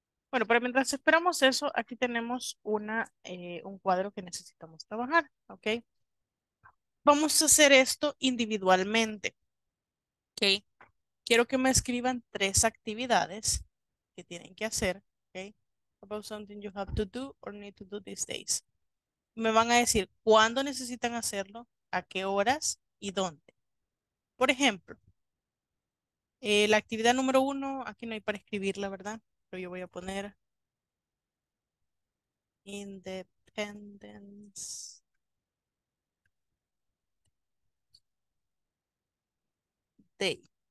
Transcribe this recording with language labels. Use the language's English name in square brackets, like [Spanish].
[Spanish] Bueno, pero mientras esperamos eso, aquí tenemos una un cuadro que necesitamos trabajar. Ok. Vamos a hacer esto individualmente. Ok. Quiero que me escriban tres actividades que tienen que hacer. Ok. [English] About something you have to do or need to do these days. [Spanish] Me van a decir cuándo necesitan hacerlo, a qué horas y dónde. Por ejemplo, la actividad número uno, aquí no hay para escribirla, ¿verdad? Pero yo voy a poner Independence Day.